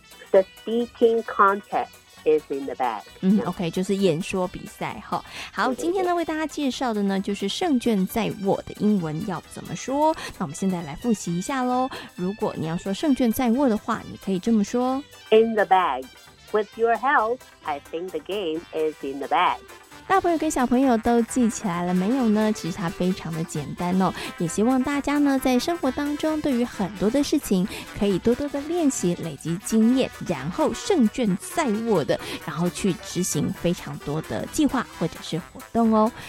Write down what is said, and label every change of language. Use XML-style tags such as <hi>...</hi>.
<en>The speaking contest is in the bag。</en> <zh>OK， 就是演说比赛。好，对对对，今天呢为大家介绍的呢就是胜券在握的英文要怎么说。那我们现在来复习一下咯，如果你要说胜券在握的话，你可以这么说</zh> <en>in the bag， with your help I think the game is in the bag。</en> <zh>大朋友跟小朋友都记起来了没有呢？其实它非常的简单哦，也希望大家呢在生活当中对于很多的事情可以多多的练习，累积经验，然后胜券在握的，然后去执行非常多的计划或者是活动哦。</zh>